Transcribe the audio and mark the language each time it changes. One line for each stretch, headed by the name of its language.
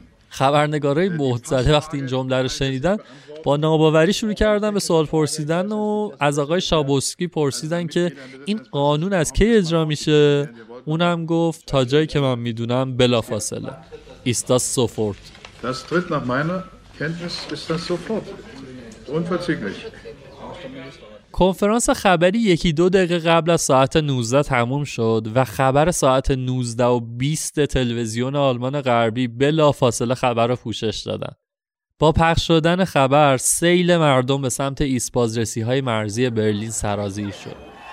Persian: خبرنگارای محتضره وقتی این جمله رو شنیدن با ناباوری شروع کردن به سوال پرسیدن و از آقای شابوسکی پرسیدن که این قانون از کی اجرا میشه؟ اونم گفت تا جایی که من میدونم بلا فاصله.
German: ایستا سوفورت. Das tritt nach meiner Kenntnis ist das sofort. Unverzüglich.
Persian: کنفرانس خبری یکی دو دقیقه قبل از ساعت 19 تموم شد و خبر ساعت 19 و 20 تلویزیون آلمان غربی بلافاصله خبر را پوشش دادن. با پخش شدن خبر سیل مردم به سمت ایسپازرسی های مرزی برلین سرازیر شد.